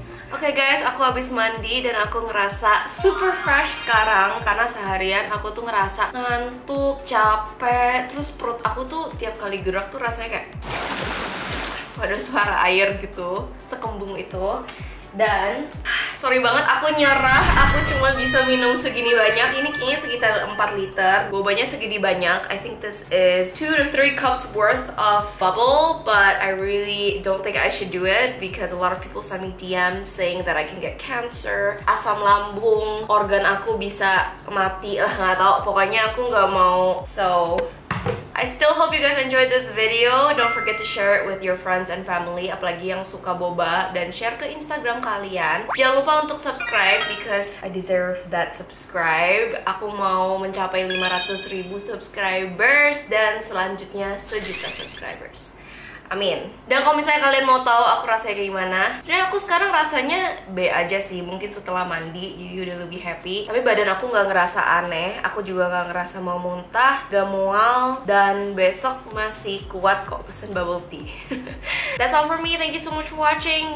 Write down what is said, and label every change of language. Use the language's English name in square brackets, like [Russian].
[Indonesian] Okay guys, aku habis mandi dan aku ngerasa super fresh sekarang karena seharian aku tuh ngerasa ngantuk, capek, terus perut aku tuh tiap kali gerak tuh rasanya kayak pada suara air gitu, sekembung itu. Dan sorry banget aku nyerah, aku cuma bisa minum segini banyak. Ini kayaknya sekitar 4 liter. Bobanya segini banyak. [English] I think this is 2 to 3 cups worth of bubble, but I really don't think I should do it because a lot of people send me DMs saying that I can get cancer. [Indonesian] Asam lambung, organ aku bisa mati lah, enggak tahu. Pokoknya aku enggak mau. [English] So I still hope you guys enjoyed this video. Don't forget to share it with your friends and family, [Indonesian] apalagi yang suka boba, dan share ke Instagram kalian. Jangan lupa untuk [English] subscribe because I deserve that subscribe. [Indonesian] Aku mau mencapai 500,000 subscribers dan selanjutnya 1,000,000 subscribers. Amin. Dan kalau misalnya kalian mau tahu aku rasanya kayak gimana, sebenarnya aku sekarang rasanya B aja sih. Mungkin setelah mandi, jadi udah lebih happy. Tapi badan aku gak ngerasa aneh. Aku juga gak ngerasa mau muntah, gak mual. Dan besok masih kuat kok pesen bubble tea. [English] That's all for me, thank you so much for watching.